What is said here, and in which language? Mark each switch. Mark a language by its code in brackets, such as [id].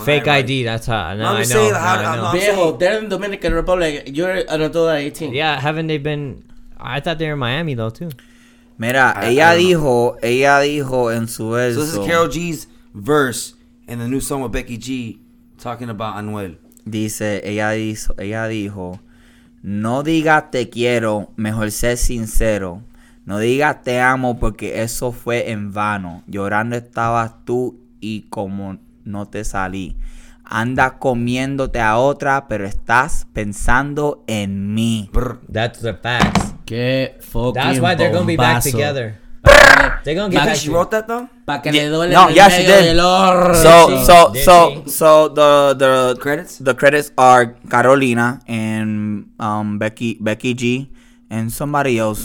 [en] Fake ID. Right. That's how. I know. They're in Dominican Republic. You're an adult at 18. Yeah, haven't they been? I thought they were in Miami though too. [es] Mira, ella dijo en su verso. [en] So this is Karol G's verse in the new song with Becky G talking about Anuel. [es] Dice, ella dijo, no digas te quiero, mejor sé sincero. No digas te amo porque eso fue en vano. Llorando estabas tú y como no te salí. Andas comiéndote a otra, pero estás pensando en mí. [en] That's the facts. [es] Qué fucking bombazo. [en] That's why they're going to be back together. They're gonna get back. She wrote that though. [es] Pa que le duele. [en] No, yeah, she did. So the credits. The credits are Carolina and Becky G and somebody else.